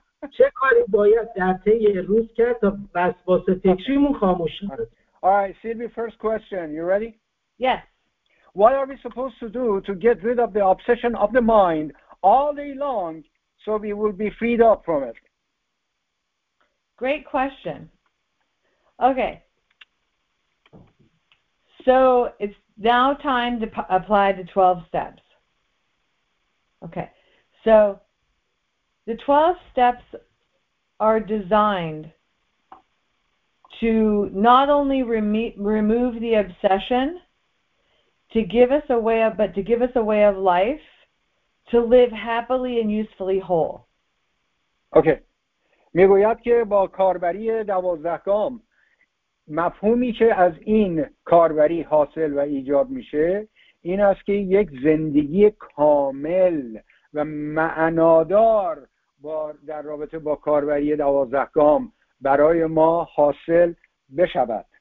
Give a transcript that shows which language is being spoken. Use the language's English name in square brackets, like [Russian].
[Persian] چه کاری باید در طی روز کرد تا وسواس فکریمون خاموش شود؟ [English] All right, Sylvie, first question. You ready? Yes. what are we supposed to do to get rid of the obsession of the mind all day long so we will be freed up from it? Great question. Okay. So it's now time to apply the 12 steps. Okay. So the 12 steps are designed to not only remove the obsession, to give us a way of, but to give us a way of life to live happily and usefully whole. Okay. [Persian] میگوید که با کاربری 12 گام مفهومی که از این کاربری حاصل و ایجاد میشه این است که یک زندگی کامل و معنادار در رابطه با کاربری 12 گام برای ما حاصل بشود.